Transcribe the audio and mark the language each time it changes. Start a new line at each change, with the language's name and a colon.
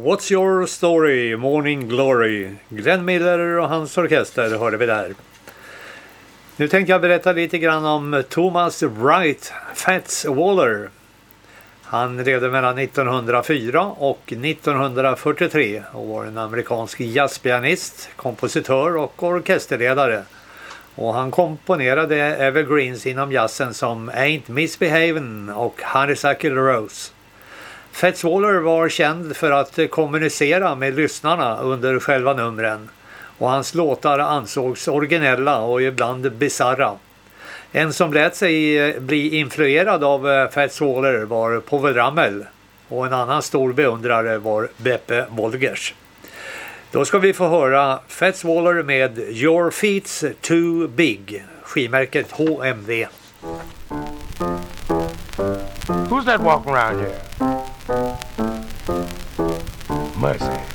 English: your story, Morning Glory.
Swedish: Glenn Miller och hans orkester hörde vi där. Nu tänkte jag berätta lite grann om Thomas Wright Fats Waller. Han levde mellan 1904 och 1943 och var en amerikansk jazzpianist, kompositör och orkesterledare. Och han komponerade evergreens inom jazzen som Ain't Misbehavin' och Honeysuckle Rose. Fats Waller var känd för att kommunicera med lyssnarna under själva numren och hans låtar ansågs originella och ibland bizarra. En som lät sig bli influerad av Fats Waller var Povel Ramel och en annan stor beundrare var Beppe Wolgers. Då ska vi få höra Fats Waller med Your Feet's Too Big, skivmärket HMV.
English: Who's that walking around here? Mercy.